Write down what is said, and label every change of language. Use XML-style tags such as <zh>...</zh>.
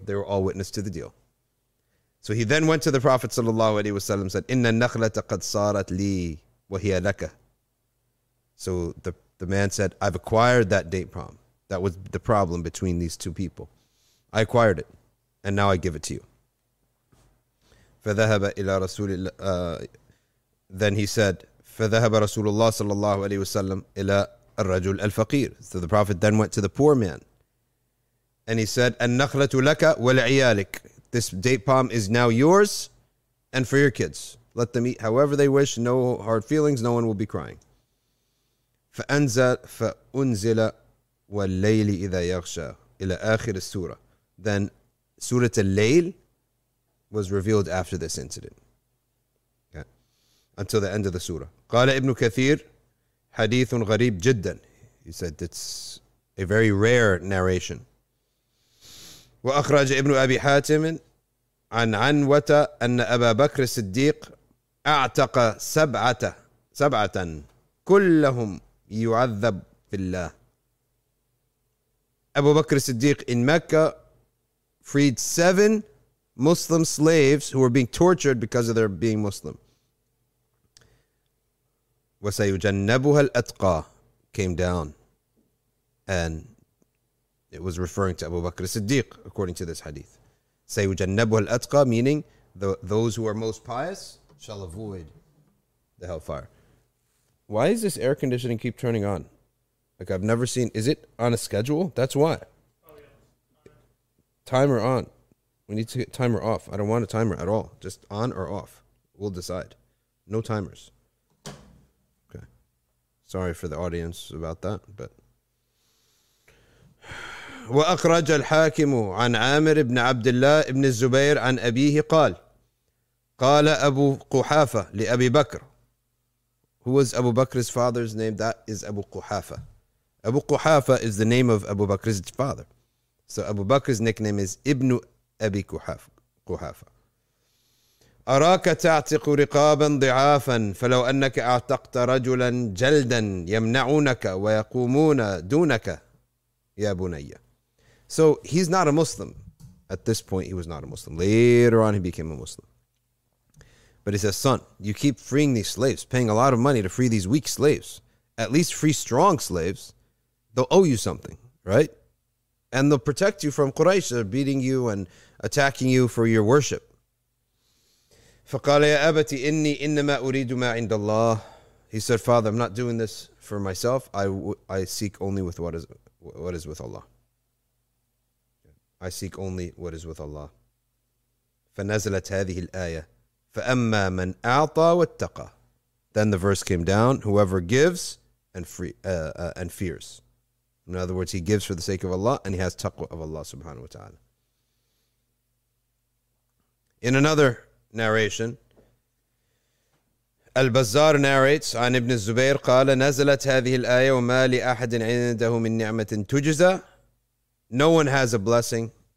<en>They were all witness to the deal. So he then went to the Prophet sallallahu alaihi wasallam, said,</en> <ar>"Inna nakhlata qad sarat li wa hiya laka."</ar> <en>So the man said, "I've acquired that date palm. That was the problem between these two people. I acquired it, and now I give it to you."</en> <ar>فذهب إلى رسول</ar> <en>then he said,</en> <ar>فذهب رسول الله صلى الله عليه وسلم إلى الرجل الفقير.</ar> <en>So the Prophet then went to the poor man, and he said,</en> <ar>"النخلة لك ولعيالك."</ar> <en>This date palm is now yours and for your kids. Let them eat however they wish. No hard feelings. No one will be crying.</en> <ar>فأنزل والليل إذا يغشى إلى آخر السورة.</ar> <en>Then Surah Al-Layl was revealed after this incident. Yeah. Until the end of the surah.</en> <ar>قال ابن كثير حديث غريب جدا.</ar> <en>He said it's a very rare narration.</en> <ar>وأخرج ابن أبي حاتم عن عنوة أن أبا بكر الصديق أعتق سبعة كلهم يعذب في الله.</ar> <en>أبو بكر الصديق in Mecca freed 7 Muslim slaves who were being tortured because of their being Muslim.</en> <ar>وسيجنبها الأتقى</ar> <en>came down and it was referring to Abu Bakr as-Siddiq, according to this hadith.</en> <ar>سَيُجَنَّبُهَا الْأَتْقَى,</ar> <en>meaning those who are most pious shall avoid the hellfire. Why is this air conditioning keep turning on? Like, I've never seen... Is it on a schedule? That's why. Timer on. We need to get timer off. I don't want a timer at all. Just on or off. We'll decide. No timers. Okay. Sorry for the audience about that, but...</en> <ar>وأخرج الحاكم عن عامر بن عبد الله بن الزبير عن أبيه قال قال أبو قحافة لأبي بكر.</ar> <en>Who was Abu Bakr's father's name? That is Abu Quhafa. Abu Quhafa is the name of Abu Bakr's father. So Abu Bakr's nickname is Ibn Abi Quhafa.</en> <ar>أراك تعتق رقابا ضعافا فلو أنك اعتقت رجلا جلدا يمنعونك ويقومون دونك يا بنيا.</ar> <en>So he's not a Muslim. At this point, he was not a Muslim. Later on, he became a Muslim. But he says, son, you keep freeing these slaves, paying a lot of money to free these weak slaves. At least free strong slaves. They'll owe you something, right? And they'll protect you from Quraysh. They're beating you and attacking you for your worship.</en> <ar>فَقَالَ يَا أَبَتِ إِنِّي إِنَّمَا أُرِيدُ مَا عِنْدَ اللَّهِ</ar> <en>He said, Father, I'm not doing this for myself. I seek only with what is with Allah. I seek only what is with Allah.</en> <ar>فَنَزَلَتْ هَذِهِ الْآيَةِ فَأَمَّا مَنْ أَعْطَى وَاتَّقَى</ar> <en>Then the verse came down, whoever gives and and fears. In other words, he gives for the sake of Allah and he has taqwa of Allah subhanahu wa ta'ala. In another narration, Al-Bazzar narrates,</en> <ar>عن ابن الزبير قال نَزَلَتْ هَذِهِ الْآيَةِ وَمَا لِأَحَدٍ عِنْدَهُ مِنْ نِعْمَةٍ تُجْزَى</ar> <en>No one has a blessing.</en>